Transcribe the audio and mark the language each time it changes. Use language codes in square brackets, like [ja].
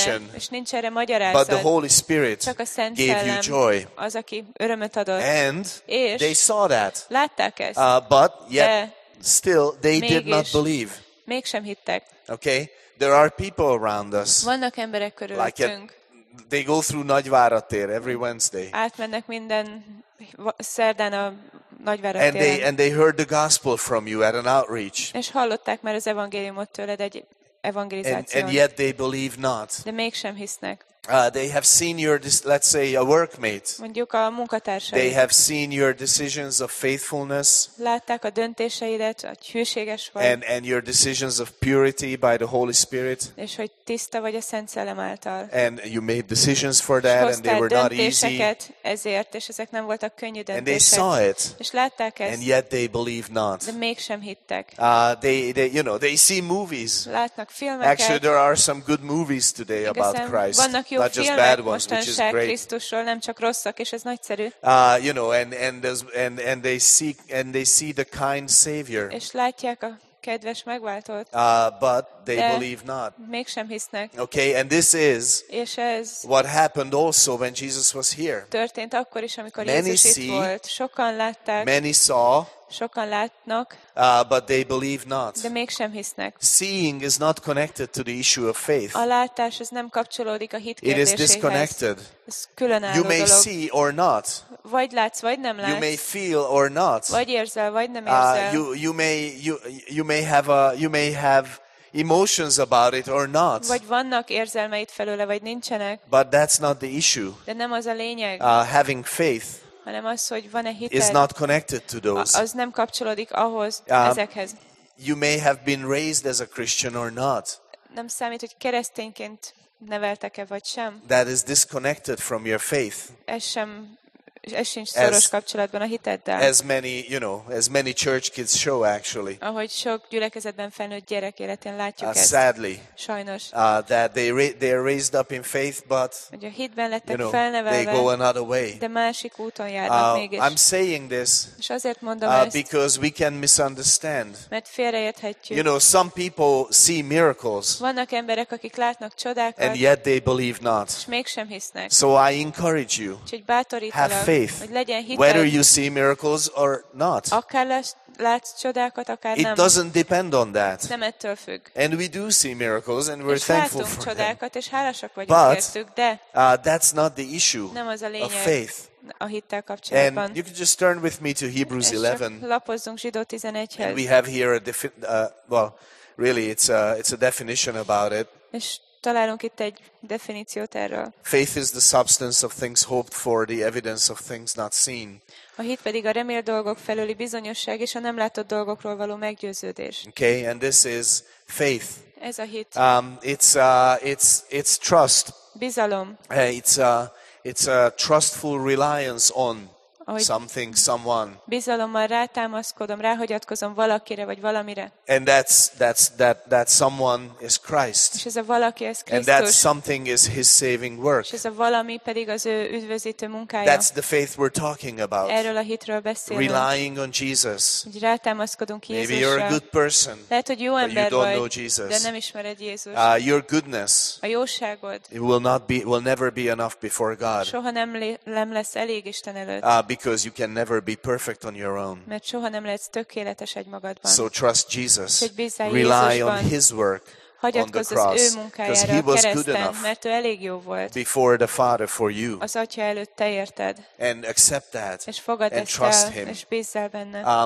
[hu] Benne, és nincs erre magyarázat, [en] but the Holy Spirit [hu] csak a Szent [en] gave [hu] Szellem [en] you joy. [hu] Az, aki örömet adott. [en] And [hu] és [en] they saw that. [hu] Látták ezt. [en] But yet [hu] de [en] still they [hu] mégis [en] did not believe. [hu] Mégsem hittek. [en] Okay? There are people around us. [hu] Vannak emberek körülöttünk. [en] Like they go through Nagyvárad tér every Wednesday. [hu] Átmennek minden szerdán a Nagyvárad téren. [en] And they heard the gospel from you at an outreach. [hu] És hallották már az evangéliumot tőled egy evangelizáción. [en] And yet they believe not. [hu] De mégsem hisznek. [en] They have seen your, let's say, a workmate. [hu] Mondjuk a munkatársaid. [en] They have seen your decisions of faithfulness. [hu] Látták a döntéseidet, hogy hűséges vagy. [en] And your decisions of purity by the Holy Spirit. [hu] És hogy tiszta vagy a Szent Szellem által. [en] And you made decisions for that, and they were not easy. [hu] Ezért, és ezek nem voltak könnyű döntések. [en] And they saw it. [hu] És látták ezt. [en] And yet they believe not. [hu] De mégsem hittek. [en] They you know, they see movies. [hu] Látnak filmeket. [en] Actually, there are some good movies today about Christ. Jó not just [hu] filmek, [en] bad ones, which is great. [hu] Krisztusról, nem csak rosszak, és ez nagyszerű. [en] You know, and they see the kind Savior. [hu] És látják a kedves megváltót. [en] But they believe not. [hu] Mégsem hisznek. [en] Okay, and this is [hu] és ez [en] what happened also when Jesus was here. [hu] Történt akkor is, amikor Jézus itt volt. Sokan látták. [en] Many saw. [hu] Sokan látnak. [en] But they believe not. [hu] De mégsem hisznek. [en] Seeing is not connected to the issue of faith. [hu] A látás ez nem kapcsolódik a hit kérdéséhez. [en] It is disconnected. [hu] Ez különálló [en] you may [hu] dolog. [en] See or not. [hu] Vagy látsz, vagy nem látsz. [en] You may feel or not. [hu] Vagy érzel, vagy nem érzel. [en] You may have emotions about it or not. [hu] Vagy vannak érzelmeid felőle, vagy nincsenek. [en] But that's not the issue. [hu] De nem az a lényeg. [en] Having faith [hu] hanem az, hogy van-e hited, [en] is not connected to those. [hu] Az nem kapcsolódik ahhoz, ezekhez. [en] You may have been raised as a Christian or not. [hu] Nem számít, hogy keresztényként neveltek-e vagy sem. [en] That is disconnected from your faith. [hu] Ez sincs szoros kapcsolatban a hiteddel. [en] As many, you know, as many church kids show actually. [hu] Ahogy sok gyülekezetben felnőtt gyerek életén látjuk ezt. [en] Sadly. [hu] Sajnos. [en] That they are raised up in faith, but [hu] a hitben lettek felnevelve. [en] They go another way. [hu] De másik úton járnak mégis. [en] I'm saying this. [hu] És azért mondom ezt. [en] Because we can misunderstand. [hu] Mert félreérthetjük. [en] You know, some people see miracles. [hu] Vannak emberek, akik látnak csodákat. [en] And yet they believe not. [hu] És mégsem hisznek. [en] So I encourage you. [hu] Úgyhogy bátorítalak. [en] Have faith, whether you see miracles or not. It doesn't depend on that. And we do see miracles and we're thankful for them. But that's not the issue of faith. [hu] A hittel kapcsolatban. [en] And you can just turn with me to Hebrews 11. [hu] Lapozzunk Zsidó 11-hez. [en] And we have here a definition about it. [hu] Találunk itt egy definíciót erről. [en] Faith is the substance of things hoped for, the evidence of things not seen. [hu] A hit pedig a remélt dolgok felőli bizonyosság és a nem látott dolgokról való meggyőződés. [en] Okay, and this is faith. [hu] Ez a hit. [en] It's trust. [hu] Bizalom. [en] It's a trustful reliance on something, someone. [hu] Bizalommal rátámaszkodom, ráhagyatkozom valakire vagy valamire. [en] And that someone is Christ. [hu] És ez a valaki, ez Krisztus. [en] And that something is his saving work. [hu] És ez a valami pedig az ő üdvözítő munkája. [en] That's the faith we're talking about. [hu] Erről a hitről beszélünk. [en] Relying on Jesus. [hu] Hogy rátámaszkodunk Jézusra. [en] Maybe you're a good person. [hu] Lehet, hogy jó ember [en] but you don't [hu] vagy, [en] know Jesus. [hu] De nem ismered Jézust. [en] Your goodness. [hu] A jóságod. [en] It will never be enough before God. [hu] Soha nem lesz elég Isten előtt. [en] Because you can never be perfect on your own. [hu] Mert soha nem lehetsz tökéletes egymagadban. [en] So trust Jesus. Rely on his work. [hu] Hagyatkozz [en] on the cross, [hu] az ő munkájára a kereszten, mert ő elég jó volt. [en] Before the Father for you. [hu] Az Atya előtt te érted. [en] And accept that. [hu] És fogadd [en] and [hu] ezt [en] trust [hu] el, [en] him. [hu] És bízzál benne.